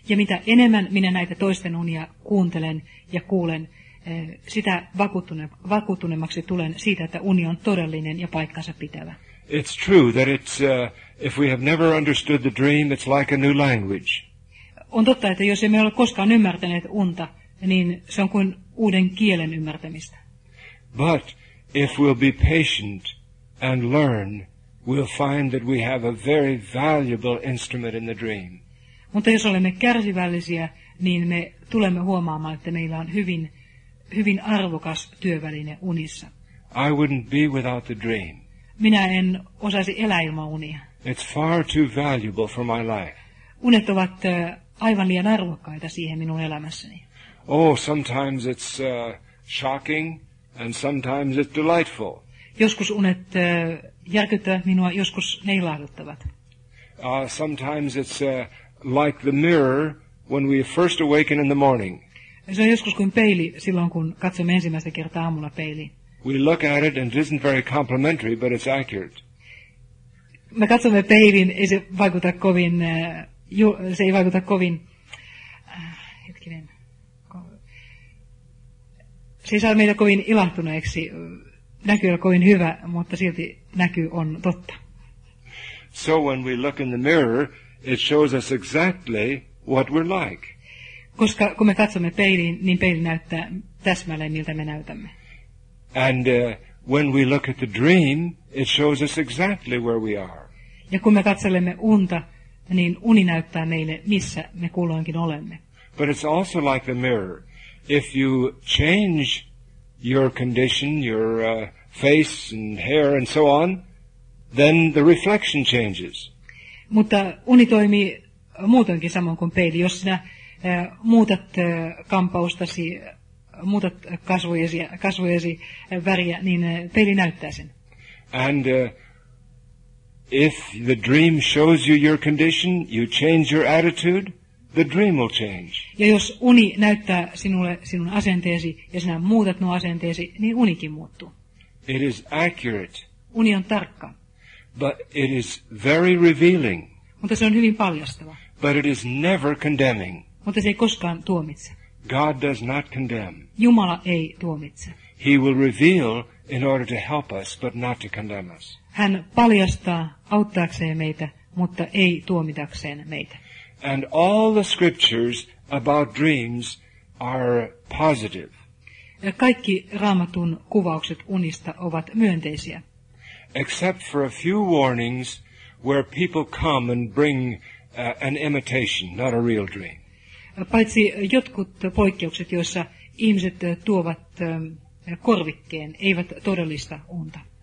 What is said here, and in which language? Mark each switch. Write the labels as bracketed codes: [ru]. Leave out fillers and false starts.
[fi] Ja mitä enemmän minä näitä toisten unia kuuntelen ja kuulen, sitä vakuuttuneemmaksi tulen siitä, että uni on todellinen ja paikkansa pitävä. [en] It's true that it's, if we have never understood the dream, it's like a new language. [fi] On totta, että jos emme ole koskaan ymmärtäneet unta, niin se on kuin uuden kielen ymmärtämistä. [en] But if we'll be patient and learn, we'll find that we have a very valuable instrument in the dream. [fi] Mutta jos olemme kärsivällisiä, niin me tulemme huomaamaan, että meillä on hyvin arvokas työväline unissa. [en] I wouldn't be without the dream. [fi] Minä en osaisi elää ilman unia. [en] It's far too valuable for my life. [fi] Unet ovat aivan liian arvokkaita siihen minun elämässäni. [en] Oh, sometimes it's shocking and sometimes it's delightful. [fi] Joskus unet järkyttävät minua, joskus ne ilahduttavat. [en] Sometimes it's like the mirror when we first awaken in the morning. [fi] Se on joskus kuin peili silloin, kun katsomme ensimmäistä kertaa aamulla peiliin. [en] We look at it and it isn't very complimentary, but it's accurate. [fi] Me katsomme peiliin, ei se vaikuta kovin, se ei vaikuta kovin, hetkinen, se ei saa meitä kovin ilahtuneeksi, näkyy olla kovin hyvä, mutta silti näky on totta. [en] So when we look in the mirror, it shows us exactly what we're like. [fi] Koska kun me katsomme peiliin, niin peili näyttää täsmälleen, miltä me näytämme. [en] And when we look at the dream, it shows us exactly where we are. [fi] Ja kun me katselemme unta, niin uni näyttää meille, missä me kulloinkin olemme. [en] But it's also like the mirror. If you change your condition, your face and hair and so on, then the reflection changes. [fi] Mutta uni toimii muutoinkin samoin kuin peili. Jos sinä muutat kampaustasi, muutat kasvojesi väriä, niin peili näyttää sen. [en] And if the dream shows you your condition, you change your attitude, the dream will change. [fi] Ja jos uni näyttää sinulle sinun asenteesi ja sinä muutat nuo asenteesi, niin unikin muuttuu. [en] It is accurate. [fi] Uni on tarkka. [en] But it is very revealing. [fi] Mutta se on hyvin paljastava. [en] But it is never condemning. [fi] Mutta se ei koskaan tuomitse. [en] God does not condemn. [fi] Jumala ei tuomitse. [en] He will reveal in order to help us, but not to condemn us. [fi] Hän paljastaa auttaakseen meitä, mutta ei tuomitakseen meitä. [en] And all the scriptures about dreams are positive. [fi] Ja kaikki Raamatun kuvaukset unista ovat myönteisiä. [en] Except for a few warnings where people come and bring an imitation, not a real dream. [fi] Paitsi jotkut poikkeukset, joissa ihmiset tuovat korvikkeen, eivät todellista unta.